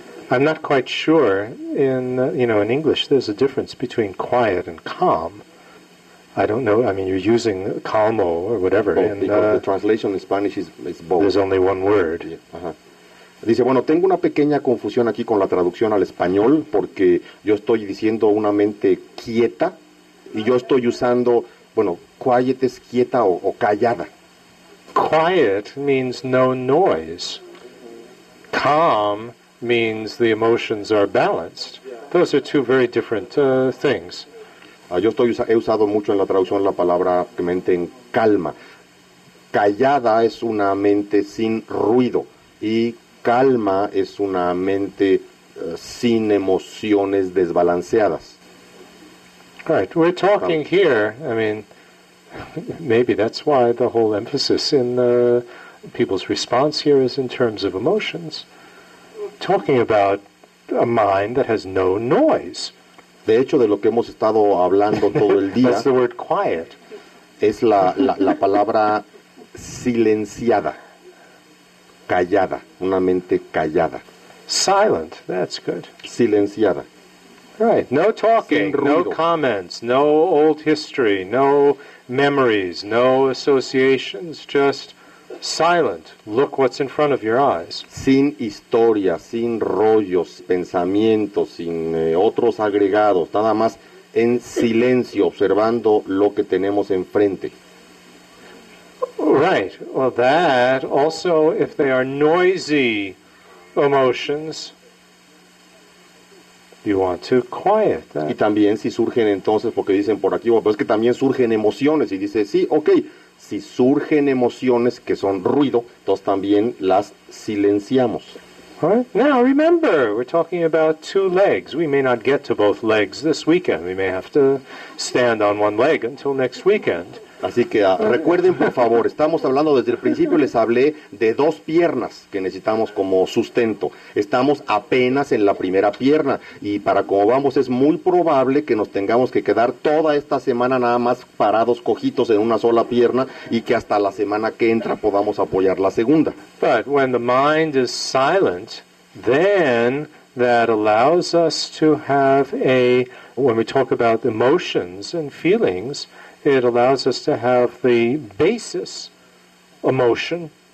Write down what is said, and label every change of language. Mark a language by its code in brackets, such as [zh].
[en] I'm not quite sure. In English, there's a difference between quiet and calm. I don't know. I mean, you're using calmo or whatever. Both, because the translation in Spanish is both. There's only one word. [es] Dice, bueno, tengo una pequeña confusión aquí con la traducción al español, porque yo estoy diciendo una mente quieta, y yo estoy usando, bueno, quiet es quieta o callada. [en] Quiet means no noise. Calm means the emotions are balanced. Those are two very different things. [es] He usado mucho en la traducción la palabra mente en calma. Callada es una mente sin ruido, y calma es una mente sin emociones desbalanceadas. [en] Right, we're talking here, I mean, maybe that's why the whole emphasis in people's response here is in terms of emotions. Talking about a mind that has no noise. [es] De hecho, de lo que hemos estado hablando todo el día... [en] That's the word quiet. [es] Es la palabra silenciada. Callada, una mente callada. [en] Silent, that's good. [es] Silenciada. [en] Right, no talking, no comments, no old history, no memories, no associations, just silent. Look what's in front of your eyes. [es] Sin historia, sin rollos, pensamientos, sin otros agregados, nada más en silencio, observando lo que tenemos enfrente. [en] Right. Well, that also, if they are noisy emotions, you want to quiet that. [es] Y también si surgen entonces, porque dicen por aquí, pues que también surgen emociones, y dice, sí, okay, si surgen emociones que son ruido, entonces también las silenciamos. [en] Right. Now, remember, we're talking about two legs. We may not get to both legs this weekend. We may have to stand on one leg until next weekend. [es] Así que recuerden, por favor, estamos hablando desde el principio, les hablé de dos piernas que necesitamos como sustento. Estamos apenas en la primera pierna y para cómo vamos es muy probable que nos tengamos que quedar toda esta semana nada más parados cojitos en una sola pierna y que hasta la semana que entra podamos apoyar la segunda. [en] But when the mind is silent, then that allows us to have when we talk about emotions and feelings, it allows us to have the basis emotion.